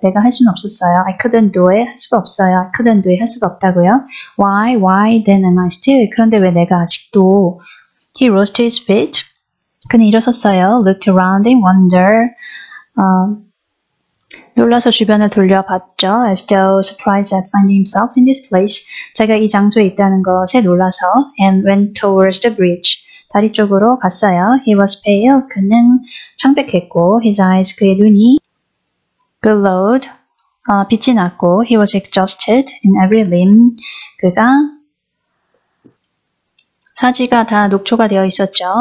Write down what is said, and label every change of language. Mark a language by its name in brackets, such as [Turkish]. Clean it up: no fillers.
[Korean] 내가 할 수는 없었어요. [English] I couldn't do it. [Korean] 할 수가 없어요. I couldn't do it. 할 수가 없다고요. [English] Why then am I still? [Korean] 그런데 왜 내가 아직도? [English] He rose to his feet. [Korean] 그는 일어섰어요. [English] Looked around in wonder. [Korean] 놀라서 주변을 돌려봤죠. [English] As though surprised at finding himself in this place. [Korean] 제가 이 장소에 있다는 것에 놀라서. [English] And went towards the bridge. [Korean] 다리 쪽으로 갔어요. [English] He was pale. [Korean] 그는 창백했고 [English] His eyes, [Korean] 그의 눈이 [English] glowed. [Korean] 빛이 났고 [English] He was exhausted in every limb. [Korean] 그가 사지가 다 녹초가 되어 있었죠.